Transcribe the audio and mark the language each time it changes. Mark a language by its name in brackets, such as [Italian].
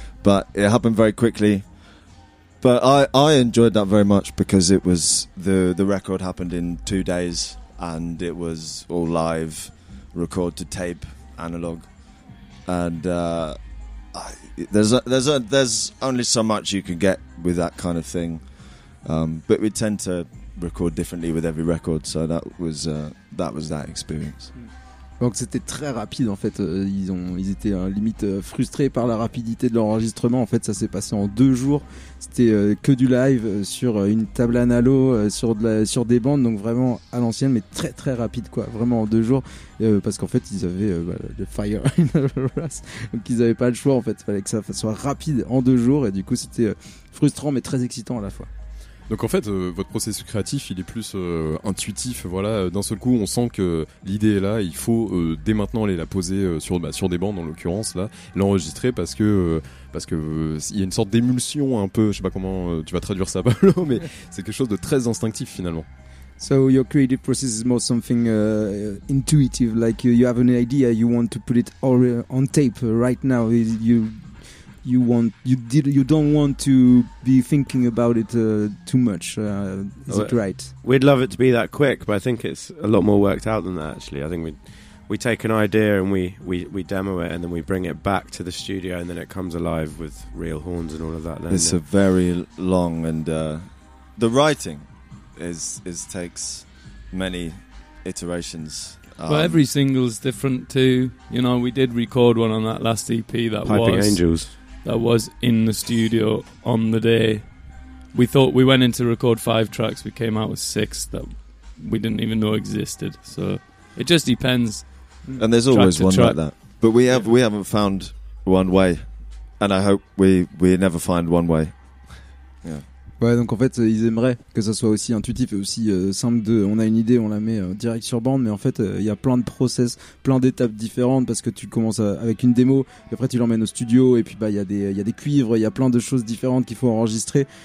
[English] But it happened very quickly. But I enjoyed that very much because it was, the record happened in 2 days and it was all live, record to tape, analog. And there's only so much you can get with that kind of thing, but we tend to record differently with every record. So that was that experience. [French] Donc c'était très rapide en fait, ils étaient hein, limite frustrés par la rapidité de l'enregistrement. En fait, ça s'est passé en 2 jours. C'était que du live sur une table analo, sur des bandes, donc vraiment à l'ancienne, mais très très rapide quoi, vraiment en 2 jours, parce qu'en fait ils avaient le [English] fire in the race, [French] donc ils avaient pas le choix en fait, fallait que ça soit rapide en 2 jours, et du coup c'était frustrant mais très excitant à la fois. Donc en fait, votre processus créatif, il est plus intuitif, voilà. D'un seul coup, on sent que l'idée est là, il faut dès maintenant aller la poser sur des bandes, en l'occurrence là, l'enregistrer parce que il y a une sorte d'émulsion un peu, je sais pas comment tu vas traduire ça, Pablo, mais c'est quelque chose de très instinctif finalement. [English] So your creative process is more something intuitive, like you have an idea, you want to put it all on tape right now. You don't want to be thinking about it too much. Is it right? We'd love it to be that quick, but I think it's a lot more worked out than that. Actually, I think we take an idea and we demo it, and then we bring it back to the studio, and then it comes alive with real horns and all of that. It's a very long, and the writing is takes many iterations. Well, every single's different too. You know, we did record one on that last EP that Piping was Piping Angels. That was in the studio on the day. We thought we went in to record 5 tracks. We came out with 6 that we didn't even know existed. So it just depends. And there's always one like that. But we haven't found one way. And I hope we never find one way. Yeah. [French] Ouais, donc en fait, ils aimeraient que ça soit aussi intuitif et aussi simple. On a une idée, on la met direct sur bande. Mais en fait, il y a plein de process, plein d'étapes différentes, parce que tu commences avec une démo, et après tu l'emmènes au studio, et puis bah il y a des cuivres, il y a plein de choses différentes qu'il faut enregistrer.